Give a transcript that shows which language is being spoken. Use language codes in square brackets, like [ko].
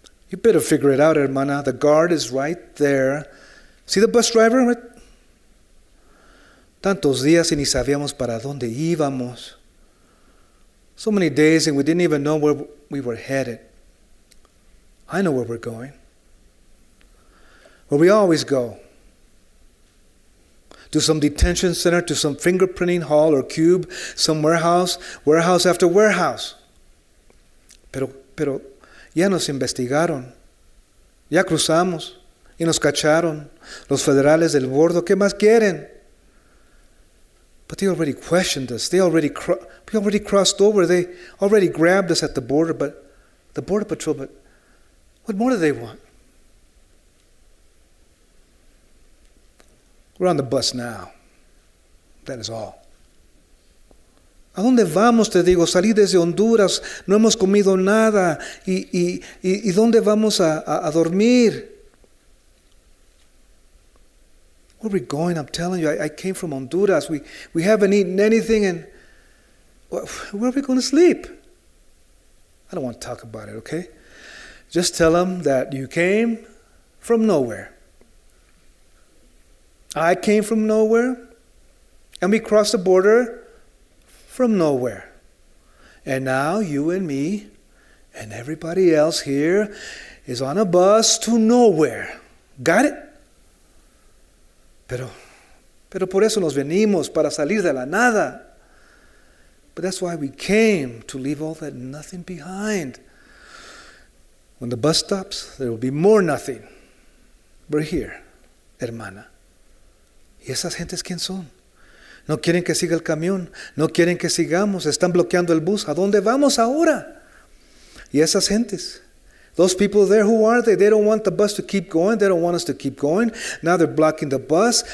[en] You better figure it out, hermana. The guard is right there. See the bus driver? [es] Tantos días y ni sabíamos para dónde íbamos. [en] So many days and we didn't even know where we were headed. I know where we're going. Where we always go. To some detention center, to some fingerprinting hall or cube, some warehouse after warehouse. [es] Pero ya nos investigaron. Ya cruzamos y nos cacharon. Los federales del bordo, ¿qué más quieren? [en] But they already questioned us. We already crossed over. They already grabbed us at the border, but the border patrol, but what more do they want? We're on the bus now. That is all. [es] ¿A dónde vamos, te digo? Salí desde Honduras. No hemos comido nada. ¿Y dónde vamos a dormir? [en] Where are we going? I'm telling you, I came from Honduras. We haven't eaten anything, and where are we going to sleep? I don't want to talk about it, okay? Just tell them that you came from nowhere. I came from nowhere, and we crossed the border from nowhere. And now you and me and everybody else here is on a bus to nowhere. Got it? [es] Pero por eso nos venimos, para salir de la nada. [en] But that's why we came, to leave all that nothing behind. When the bus stops, there will be more nothing. We're here, [es] hermana. ¿Y esas gentes quién son? No quieren que siga el camión. No quieren que sigamos. Están bloqueando el bus. ¿A dónde vamos ahora? ¿Y esas gentes? [en] Those people there, who are they? They don't want the bus to keep going. They don't want us to keep going. Now they're blocking the bus.